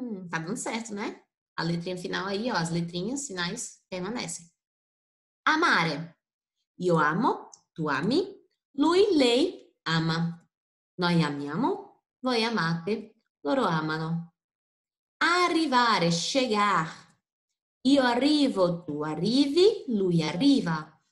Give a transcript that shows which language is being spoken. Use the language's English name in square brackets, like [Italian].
[Portuguese] Tá dando certo, né? A letrinha final aí, ó, as letrinhas, sinais, permanecem. [Italian] Amare, io amo, tu ami, lui, lei ama, noi amiamo, voi amate, loro amano. Arrivare, chegar. Io arrivo, tu arrivi, lui arriva.